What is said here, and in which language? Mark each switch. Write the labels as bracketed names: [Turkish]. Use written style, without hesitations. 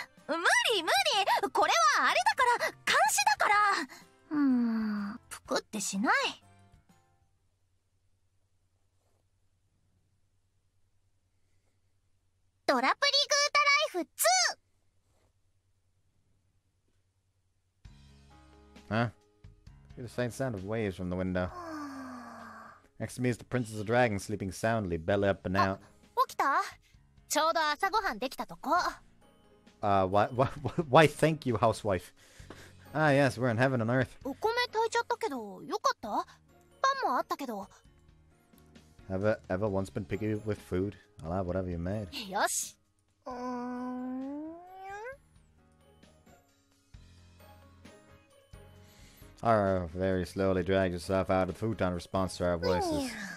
[Japanese] 無理無理、これはあれだから監視だから。ぷくってしない。ドラプリグータライフ2。 [English] Hear the faint sound of waves from the window. Next to me is the princess of dragons sleeping soundly, belly up and out. [Japanese] 起きた? ちょうど朝ごはんできたとこ。 [English] Why thank you, housewife. Ah, yes, we're in heaven on earth. [Japanese] お米炊いちゃったけど、よかった? パンもあったけど。 [English] Have I ever once been picky with food? I'll have whatever you made. [Japanese] よし。 [English] Hara very slowly drags herself out of the futon in response to our voices.